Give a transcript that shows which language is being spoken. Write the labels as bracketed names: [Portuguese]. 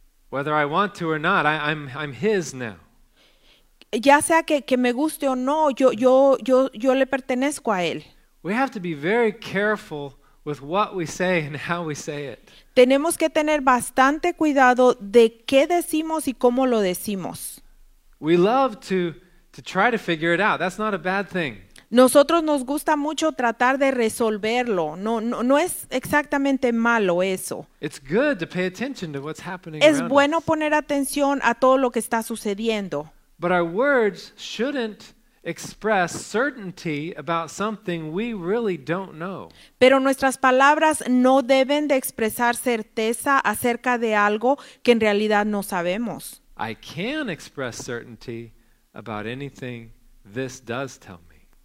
[English] Whether I want to or not, I'm his now. [Spanish] Ya sea que me guste o no, yo le pertenezco a él. [English] We have to be very careful with what we say and how we say it. [Spanish] Tenemos que tener bastante cuidado de qué decimos y cómo lo decimos. [English] We love to try to figure it out. That's not a bad thing. [Spanish] Nosotros nos gusta mucho tratar de resolverlo. No es exactamente malo eso. [English] It's good to pay attention to what's happening. [Spanish] Es bueno poner atención a todo lo que está sucediendo. [English] But our words shouldn't express certainty about something we really don't know. [Spanish] Pero nuestras palabras no deben de expresar certeza acerca de algo que en realidad no sabemos. [English] I can express certainty about anything this does tell me.